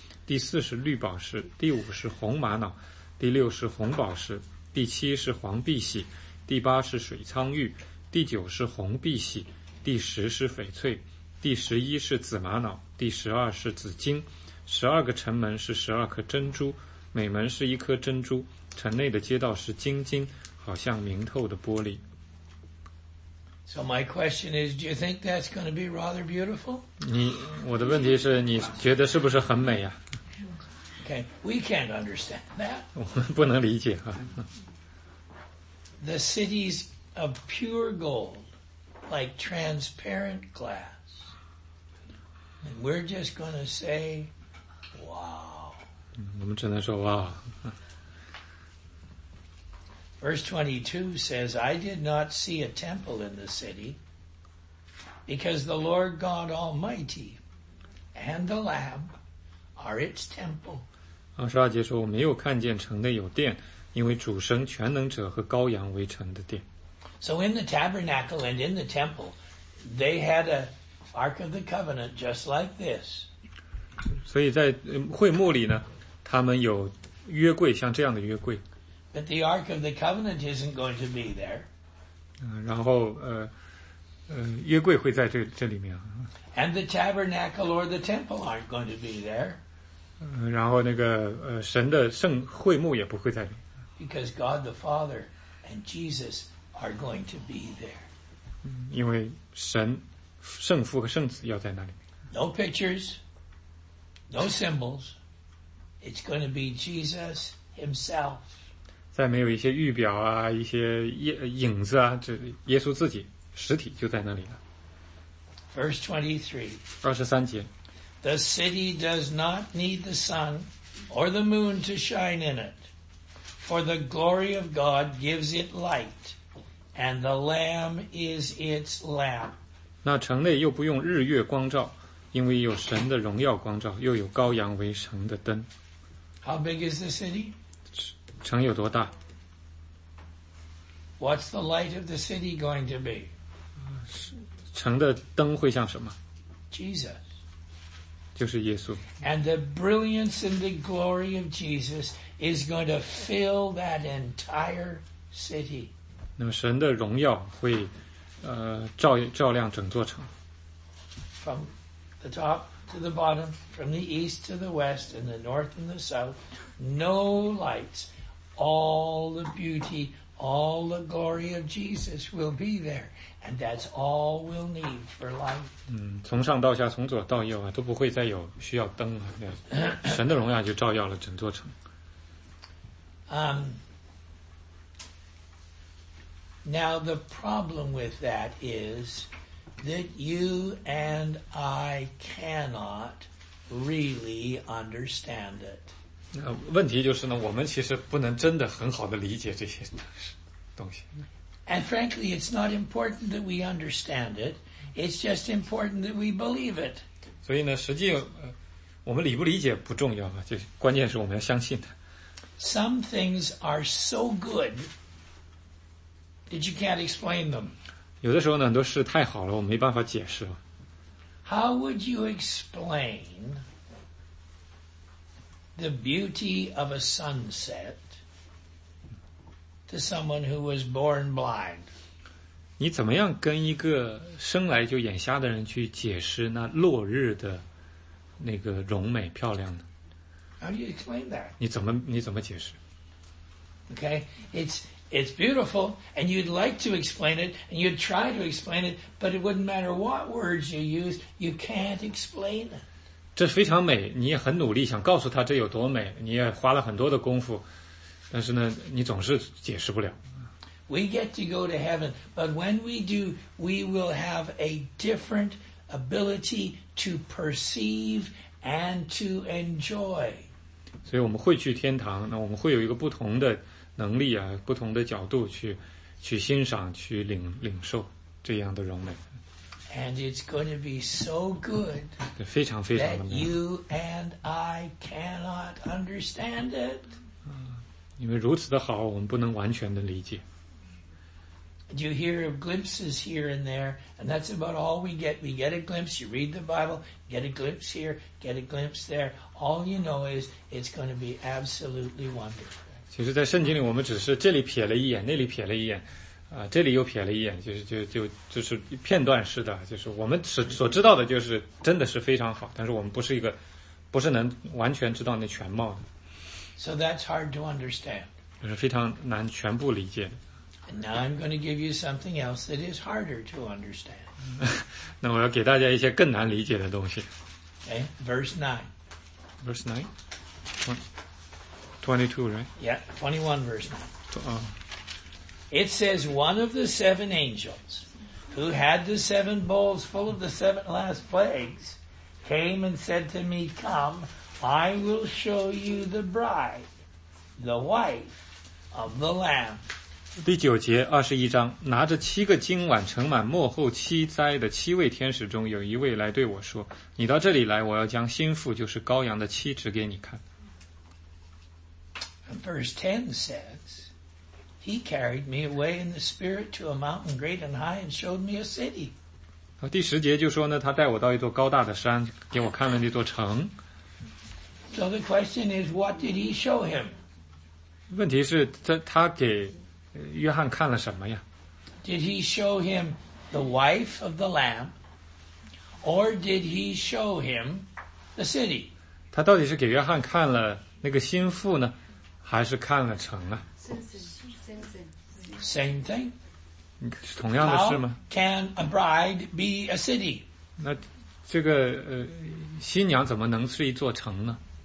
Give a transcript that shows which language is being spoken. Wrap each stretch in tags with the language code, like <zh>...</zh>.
<zh>第四是绿宝石，第五是红玛瑙，第六是红宝石，第七是黄碧玺，第八是水苍玉，第九是红碧玺，第十是翡翠，第十一是紫玛瑙，第十二是紫晶，十二个城门是十二颗珍珠，每门是一颗珍珠，城内的街道是晶晶，好像明透的玻璃。</zh> <en>So my question is, do you think that's going to be rather beautiful?</en> <zh>我的问题是你觉得是不是很美啊？</zh> <en>Okay, we can't understand that.</en> <zh>我们不能理解啊。</zh> <en>The cities of pure gold, like transparent glass. And we're just going to say, wow.</en> <zh>我们只能说 wow.</zh> <en>Verse 22 says, I did not see a temple in the city because the Lord God Almighty and the Lamb are its temple.</en> <zh>22节说，我没有看见城内有殿，因为主神全能者和羔羊为城的殿。</zh> <en>So in the tabernacle and in the temple, they had a... Ark of the Covenant, just like this.</en> <zh>所以在会幕里呢，他们有约柜，像这样的约柜。</zh> <en>But the Ark of the Covenant isn't going to be there.</en> <zh>然后约柜会在这里面。</zh> <en>And the tabernacle or the temple aren't going to be there.</en> <zh>然后那个神的圣会幕也不会在里面。</zh> <en>Because God the Father and Jesus are going to be there.</en> <zh>因为神。圣父和圣子要在那里。</zh> <en>No pictures, no symbols. It's going to be Jesus himself.</en> <zh>再没有一些预表啊，一些影子啊，这耶稣自己实体就在那里了。</zh> <en>Verse 23.</en> <zh>23节。</zh> <en>The city does not need the sun or the moon to shine in it, for the glory of God gives it light, and the Lamb is its lamp.</en> <zh>那城内又不用日月光照，因为有神的荣耀光照，又有羔羊为城的灯。</zh> <en>How big is the city?</en> <zh>城有多大？</zh> <en>What's the light of the city going to be?</en> <zh>城的灯会像什么？</zh> <en>Jesus.</en> <zh>就是耶稣。</zh> <en>And the brilliance and the glory of Jesus is going to fill that entire city.</en> <zh>那么神的荣耀会照亮整座城。</zh> <en>From the top to the bottom, from the east to the west, and the north and the south, no lights. All the beauty, all the glory of Jesus will be there, and that's all we'll need for life.</en> <zh>从上到下，从左到右啊，都不会再有需要灯了。神的荣耀就照耀了整座城。</zh> <en>Now the problem with that is that you and I cannot really understand it.</en> <zh>问题就是呢，我们其实不能真的很好的理解这些东西。</zh> <en>And frankly, it's not important that we understand it. It's just important that we believe it.</en> <zh>所以呢，实际我们理不理解不重要啊，就关键是我们要相信它。</zh> <en>Some things are so good. That you can't explain them.</en> <zh>有的时候呢，很多事太好了，我没办法解释。</zh> <en>How would you explain the beauty of a sunset to someone who was born blind?</en> <zh>你怎么样跟一个生来就眼瞎的人去解释那落日的那个容美漂亮呢？</zh> <en>How do you explain that?</en> <zh>你怎么解释？</zh> <en>Okay, it's beautiful, and you'd like to explain it, and you'd try to explain it, but it wouldn't matter what words you use, you can't explain it.</en> <zh>这非常美，你也很努力想告诉他这有多美，你也花了很多的功夫，但是呢，你总是解释不了。</zh> <en>We get to go to heaven, but when we do, we will have a different ability to perceive and to enjoy.</en> <zh>所以我们会去天堂，那我们会有一个不同的能力啊，不同的角度去欣赏，去领受这样的荣美。</zh> <en>And it's going to be so good.</en> <zh>非常非常的美。</zh> <en>That you and I cannot understand it.</en> <zh>因为如此的好，我们不能完全的理解。</zh> <en>You hear of glimpses here and there, and that's about all we get. We get a glimpse, you read the Bible, get a glimpse here, get a glimpse there. All you know is it's going to be absolutely wonderful.</en> <zh>其实在圣经里我们只是这里瞥了一眼，那里瞥了一眼，这里又瞥了一眼，就是片段式的，就是我们所知道的就是真的是非常好，但是我们不是能完全知道那全貌的。</zh> <en>So that's hard to understand.</en> <zh>就是非常难全部理解的。</zh> <en>And now I'm going to give you something else that is harder to understand.</en> <zh>那我要给大家一些更难理解的东西。</zh> <en>Okay, verse 9. It says, one of the seven angels who had the seven bowls full of the seven last plagues came and said to me, come, I will show you the bride, the wife of the Lamb.</en> <zh>第九节二十一章，拿着七个金碗盛满末后七灾的七位天使中有一位来对我说，你到这里来，我要将心腹就是羔羊的妻指给你看。</zh> <en>Verse 10 says, he carried me away in the spirit to a mountain great and high and showed me a city.</en> <zh>第十节就说呢，他带我到一座高大的山，给我看了那座城。</zh> <en>So the question is, what did he show him?</en> <zh>问题是他给约翰看了什么呀？</zh> <en>Did he show him the wife of the Lamb, or did he show him the city?</en> <zh>他到底是给约翰看了那个心腹呢，还是看了城啊？</zh> <en>Same thing.</en> <zh>同样的事吗？</zh> <en>How can a bride be a city?</en> <zh>那这个新娘怎么能是一座城呢？</zh>